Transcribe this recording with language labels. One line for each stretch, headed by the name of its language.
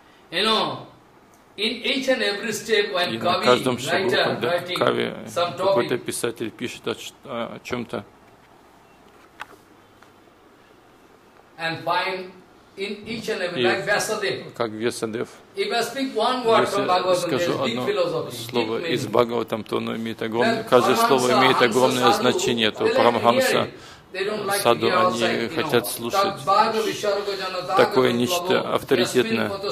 English: You know, in each and every step when Kavi, writer, writing, some topic.
Russian: И на каждом шагу, когда Кави, какой-то писатель пишет о чем-то.
English: And find in each and every, like Vyasadev.
Russian: Как Вьясадев.
English: If I speak one word from Bhagavatam, there is deep philosophy.
Russian: Слово из Бхагаватам, то оно имеет огромное, каждое слово имеет огромное значение. То Парамхамса, саду, они хотят слушать такое нечто авторитетное.